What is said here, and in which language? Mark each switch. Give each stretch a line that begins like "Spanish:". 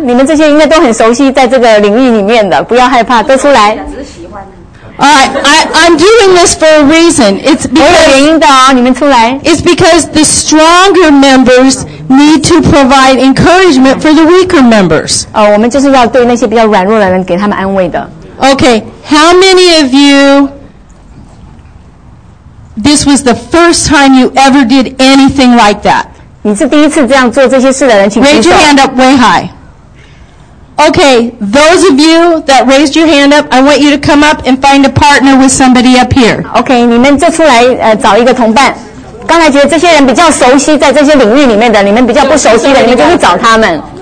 Chinese: 你们这些应该都很熟悉在这个领域里面的,不要害怕, 都出来。
English: All right, I'm doing this for a reason. It's because, the stronger members need to provide encouragement for the weaker members. Okay, how many of you, this was the first time you ever did anything like that? Raise your hand up way high. Okay, those of you that raised your hand up, I want you to come up and find a partner with somebody up here.
Chinese: Okay, 你们就出来找一个同伴。刚才觉得这些人比较熟悉在这些领域里面的，你们比较不熟悉的，你们就去找他们。